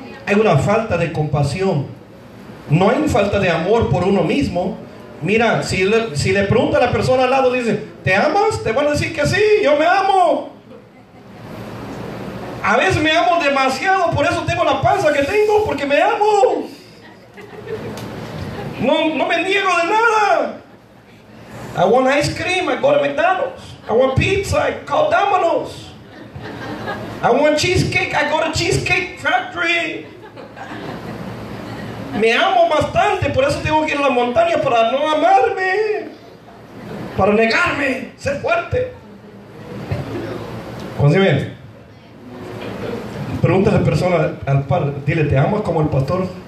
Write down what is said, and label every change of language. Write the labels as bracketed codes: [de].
[es] Hay una falta de compasión. No hay falta de amor por uno mismo. Mira, si le pregunta a la persona al lado, dice, ¿te amas? Te van a decir que sí, yo me amo. A veces me amo demasiado, por eso tengo la panza que tengo, porque me amo. No, no me niego de nada. [en] I want ice cream, I go to McDonald's. I want pizza, I call Domino's. I want cheesecake, I go to Cheesecake Factory. [es] Me amo bastante, por eso tengo que ir a la montaña, para no amarme, para negarme, ser fuerte. Consigue. Pregúntale a la persona, al par, dile, ¿te amas como el pastor?